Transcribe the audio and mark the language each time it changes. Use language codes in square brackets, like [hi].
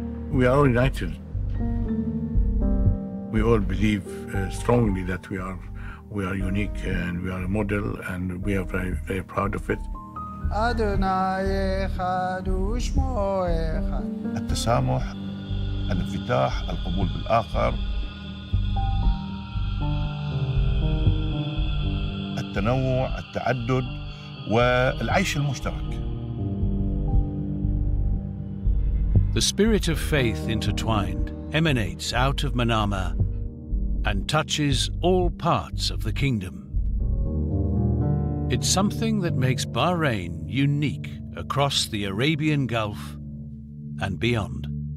[en] We are all united. We all believe strongly that we are unique and we are a model and we are very, very proud of it. [ar] التسامح الانفتاح القبول بالآخر التنوع التعدد والعيش المشترك. [en] The spirit of faith intertwined emanates out of Manama and touches all parts of the kingdom. It's something that makes Bahrain unique across the Arabian Gulf and beyond.